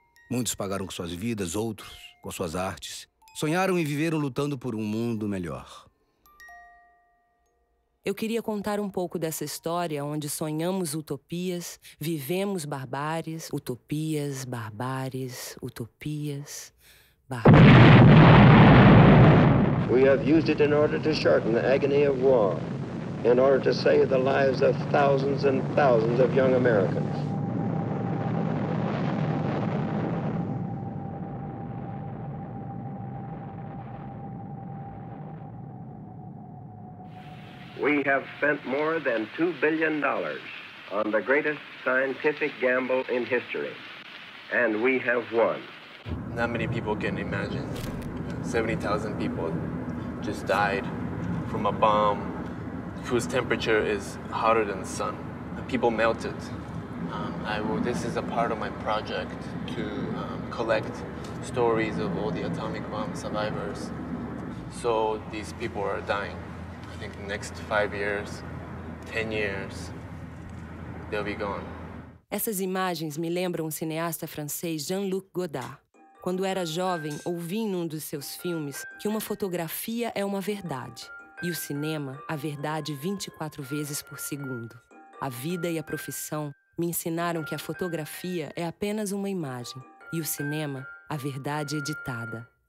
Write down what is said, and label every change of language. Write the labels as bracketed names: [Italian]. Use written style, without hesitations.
[Portuguese] Muitos pagaram com suas vidas, outros com suas artes. Sonharam e viveram lutando por um mundo melhor. Eu queria contar um pouco dessa história onde sonhamos utopias, vivemos barbáries, utopias, barbáries, utopias, barbáries. [English] We have used it in order to shorten the agony of war, in order to save the lives of thousands and thousands of young Americans. We have spent more than $2 billion on the greatest scientific gamble in history, and we have won. Not many people can imagine. 70,000 people just died from a bomb whose temperature is hotter than the sun. People melted. This is a part of my project to collect stories of all the atomic bomb survivors. So these people are dying. I think the next 5 years, 10 years, they'll be gone. [Portuguese] Essas imagens me lembram o cineasta francês Jean-Luc Godard. Quando era jovem, ouvi em um dos seus filmes que uma fotografia é uma verdade, e o cinema, a verdade 24 vezes por segundo. A vida e a profissão me ensinaram que a fotografia é apenas uma imagem, e o cinema, a verdade editada.